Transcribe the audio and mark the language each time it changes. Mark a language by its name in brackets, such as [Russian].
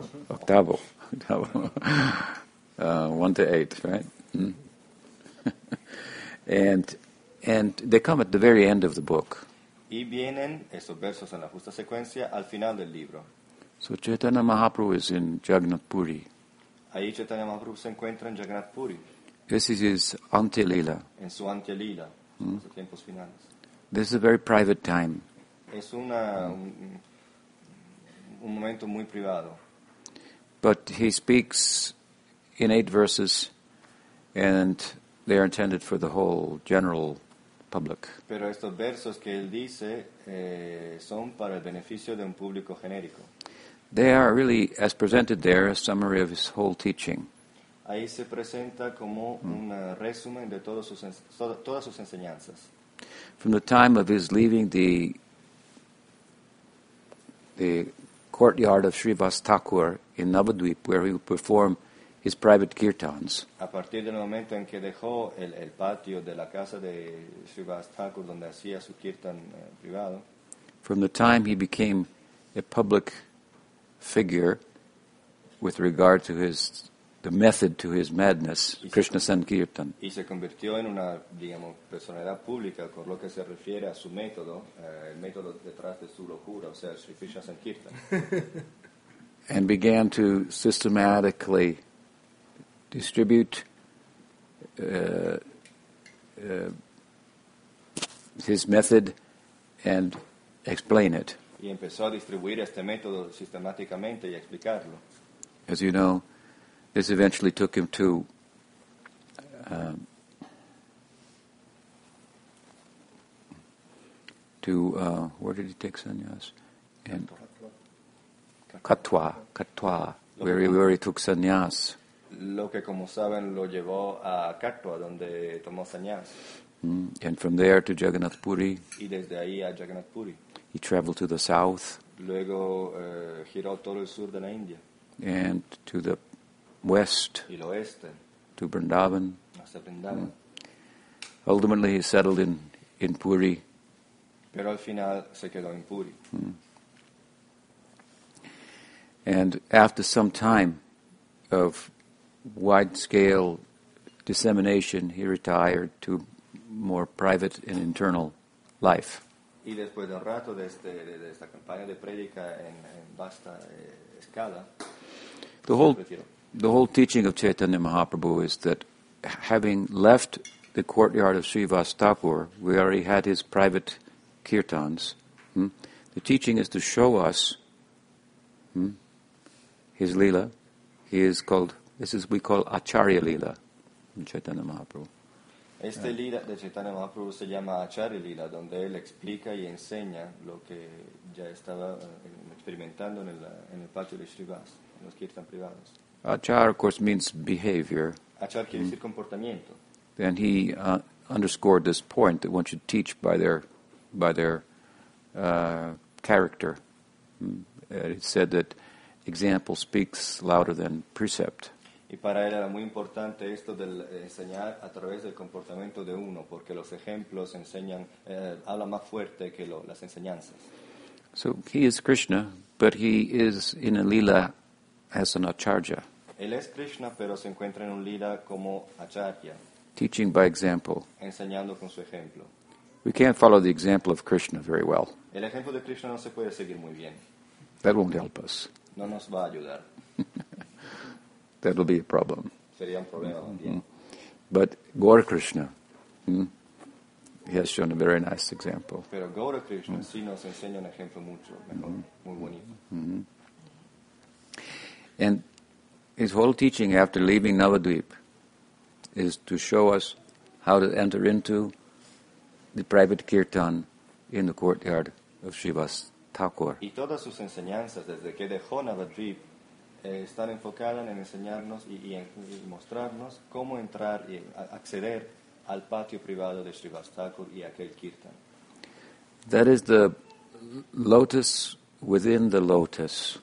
[English] Octavo. Octavo. 1 to 8, right? And they come at the very end of the book. [Spanish] Y vienen esos versos en la justa secuencia al final del libro. [English] So Chaitanya Mahaprabhu is in Jagannath Puri. [Spanish] Ahí Chaitanya Mahaprabhu se encuentra en Jagannath Puri. [English] This is his antelila. [Spanish] En su antelila, en los tiempos finales. [English] This is a very private time. [Spanish] Es una un momento muy privado. [English] But he speaks in eight verses, and they are intended for the whole general public. [Spanish] Pero estos versos que él dice son para el beneficio de un público genérico. [English] They are really, as presented there, a summary of his whole teaching. [Spanish] Ahí se presenta como un resumen de todas sus enseñanzas. [English] From the time of his leaving the courtyard of Srivastakur in Navadvip, where he would perform his private kirtans. [Spanish] A partir del momento en que dejó el patio de la casa de Srivastakur, donde hacía su kirtan privado. [English] From the time he became a public figure with regard to the method to his madness, Krishna Sankirtan. [Spanish] Y se convirtió en una, digamos, personalidad pública con lo que se refiere a su método, el método detrás de su locura, o sea, Sri Krishna Sankirtan. [English] And began to systematically distribute his method and explain it. [Spanish] Y empezó a distribuir este método sistemáticamente y explicarlo. [English] As you know, this eventually took him to where did he take sannyas? In Katwa, where he took sannyas. [Spanish] Lo que como saben lo llevó a Katwa, donde tomó sannyas. [English] And from there to Jagannath Puri. [Spanish] Y desde ahí a Jagannath Puri. [English] He traveled to the south. [Spanish] Luego giró todo el sur de la India. [English] And to the west, [Spanish] el oeste, [English] to Vrindavan. [Spanish] Hasta Vrindavan. Mm. [English] Ultimately, he settled in Puri. [Spanish] Pero al final se quedó en Puri. Mm. [English] And after some time of wide-scale dissemination, he retired to more private and internal life. [Spanish] Y después de un rato de esta campaña de prédica en vasta escala, [English] The whole teaching of Chaitanya Mahaprabhu is that having left the courtyard of Srivastapur, where he had his private kirtans, the teaching is to show us his lila. He is called, this is we call Acharya Lila in Chaitanya Mahaprabhu. [Spanish] Este lila de Chaitanya Mahaprabhu se llama Acharya Lila, donde él explica y enseña lo que ya estaba experimentando en el patio de Srivast, en los kirtans privados. [English] Achar, of course, means behavior. [Spanish] Achar quiere decir comportamiento. [English] And he underscored this point that one should teach by their character. It said that example speaks louder than precept. [Spanish] Y para él era muy importante esto del enseñar a través del comportamiento de uno, porque los ejemplos enseñan, hablan más fuerte que las enseñanzas. [English] So he is Krishna, but he is in a lila as an acharya. [Spanish] Él es Krishna, pero se encuentra en un lila como acharya. [English] Teaching by example. [Spanish] Enseñando con su ejemplo. [English] We can't follow the example of Krishna very well. [Spanish] El ejemplo de Krishna no se puede seguir muy bien. [English] That won't help us. [Spanish] No nos va a ayudar. [English] That will be a problem. [Spanish] Sería un problema también. [English] But Gaura Krishna, he has shown a very nice example. [Spanish] Pero Gaura Krishna sí nos enseña un ejemplo mucho mejor, muy bonito. [English] And his whole teaching after leaving Navadvip is to show us how to enter into the private kirtan in the courtyard of Srivastakur. [Spanish] Y todas sus enseñanzas desde que dejó Navadvip están enfocadas en enseñarnos y mostrarnos cómo entrar y acceder al patio privado de Srivastakur y aquel kirtan. [English] That is the lotus within the lotus.